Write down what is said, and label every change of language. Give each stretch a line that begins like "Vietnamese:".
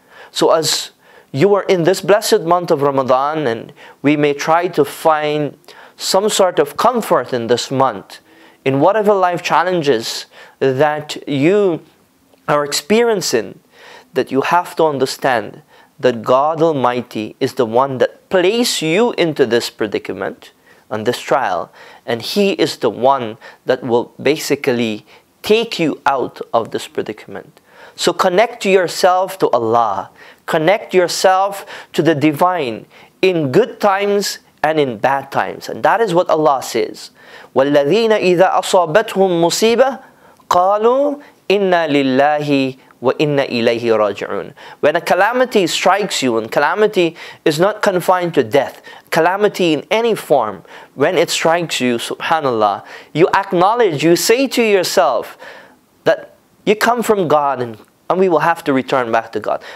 English: So as you are in this blessed month of Ramadan, and we may try to find some sort of comfort in this month, in whatever life challenges that you are experiencing, that you have to understand that God Almighty is the one that placed you into this predicament on this trial, and He is the one that will basically take you out of this predicament. So connect yourself to Allah, connect yourself to the Divine in good times and in bad times. And that is what Allah says,
Arabic: وَالَّذِينَ إِذَا أَصَابَتْهُمْ مُصِيبَةٌ قَالُوا إِنَّا لِلَّهِ وَإِنَّ إِلَيْهِ رَاجِعُونَ.
English: When a calamity strikes you, and calamity is not confined to death, calamity in any form, when it strikes you, subhanAllah, you acknowledge, you say to yourself that you come from God, and we will have to return back to God.